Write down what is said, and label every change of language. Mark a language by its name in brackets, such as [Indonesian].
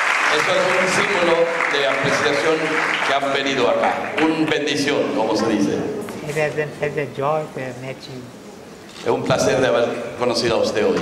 [Spanish] Eso es un símbolo de apreciación que han venido acá. Un bendición, como se dice. [English] It has been such a joy to have met you. [Spanish] Es un placer de haber conocido a usted hoy.